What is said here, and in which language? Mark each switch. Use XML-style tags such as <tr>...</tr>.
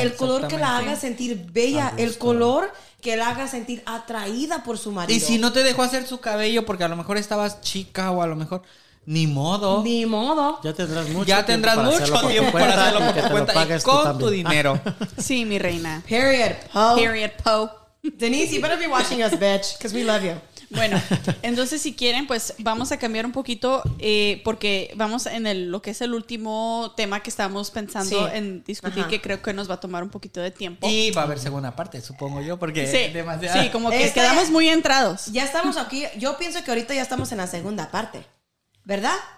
<es>El color que la haga sentir bella. El color que la haga sentir atraída por su marido. Y si no te dejó hacer su cabello porque a lo mejor estabas chica o a lo mejor... Ni modo. Ya tendrás mucho tiempo para hacerlo por cuenta y con tu dinero. Sí, mi reina.</es> <en>Period, Po. Denise, you better be watching us, bitch, because we love you.</en> <es>Bueno, entonces si quieren, pues vamos a cambiar un poquito porque vamos en lo que es el último tema que estábamos pensando en discutir, ajá, que creo que nos va a tomar un poquito de tiempo. Y va a haber segunda parte, supongo yo, porque demasiado. Sí, como que quedamos muy entrados. Ya estamos aquí, yo pienso que ahorita ya estamos en la segunda parte, ¿verdad?</es>